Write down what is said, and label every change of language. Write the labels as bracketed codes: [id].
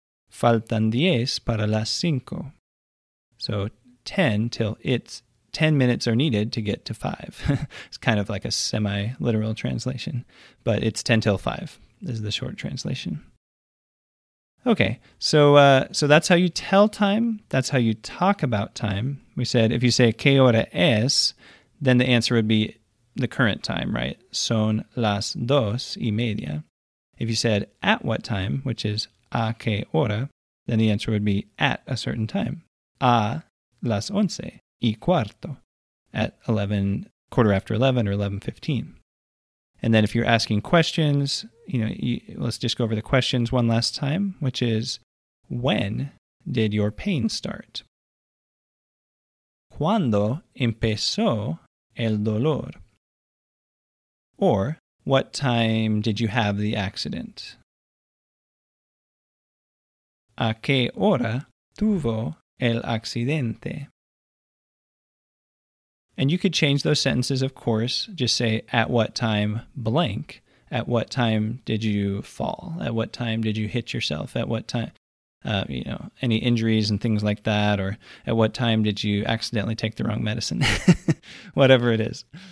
[es] Faltan 10 para las 5. [en] So 10 till it's 10 minutes are needed to get to 5. It's kind of like a semi-literal translation, but it's 10 till 5 is the short translation. Okay, so so that's how you tell time. That's how you talk about time. We said if you say [es] ¿qué hora es? [en] Then the answer would be the current time, right? [es] Son las 2:30. [en] If you said at what time, which is [es] ¿a qué hora? [en] Then the answer would be at a certain time. [es] A las 11:15. [en] At 11, quarter after 11 or 11:15. And then if you're asking questions, you know, let's just go over the questions one last time, which is, when did your pain start? [es] ¿Cuándo empezó el dolor? [en] Or, what time did you have the accident? [es] ¿A qué hora tuvo el accidente? [en] And you could change those sentences, of course, just say, at what time blank. At what time did you fall? At what time did you hit yourself? At what time, you know, any injuries and things like that? Or at what time did you accidentally take the wrong medicine? Whatever it is.